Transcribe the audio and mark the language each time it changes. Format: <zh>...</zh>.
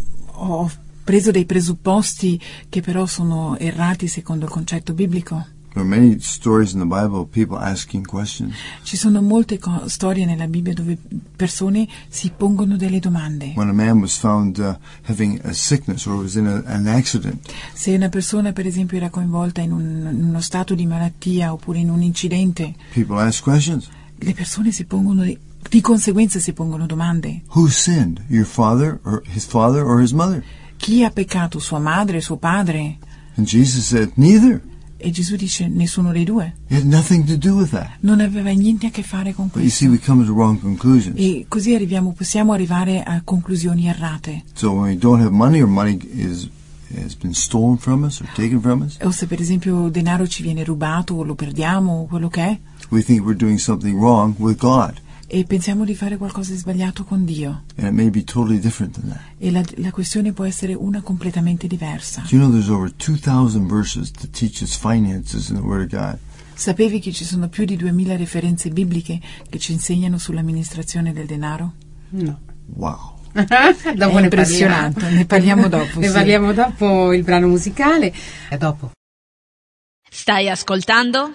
<it>Ho preso dei presupposti che però sono errati secondo il concetto biblico?</it> <en>There are many stories in the Bible of people asking questions.</en> <it>Ci sono molte storie nella Bibbia dove persone si pongono delle domande.</it> <en>When a man was found having a sickness or was in an accident.</en> <it>Se una persona, per esempio, era coinvolta in uno stato di malattia oppure in un incidente.</it> <en>People ask questions.</en> <it>Le persone si pongono di conseguenza si pongono domande.</it> <en>Who sinned? Your father or his father or his mother?</en> <it>Chi ha peccato, sua madre, suo padre?</it> <en>And Jesus said, neither.</en> <it>E Gesù dice, nessuno dei due.</it> <en>It had nothing to do with that.</en> <it>Non aveva niente a che fare con questo.</it> <en>But you see, we come to wrong conclusions.</en> <it>E così arriviamo, possiamo arrivare a conclusioni errate.</it> <en>So when we don't have money or money is has been stolen from us or taken from us.</en> <it>O se per esempio denaro ci viene rubato o lo perdiamo o quello che è.</it> <en>We think we're doing something wrong with God.</en> <it>E pensiamo di fare qualcosa di sbagliato con Dio.</it> <en>And it may be totally different than that.</en> <it>E la questione può essere una completamente diversa.</it> <en>Do you know there's over 2,000 verses that teach us finances in the Word of God?</en> <it>Sapevi che ci sono più di 2,000 referenze bibliche che ci insegnano sull'amministrazione del denaro? No. Wow. Dopo è impressionante. Ne parliamo dopo. Ne parliamo dopo il brano musicale. E dopo. Stai ascoltando?</it>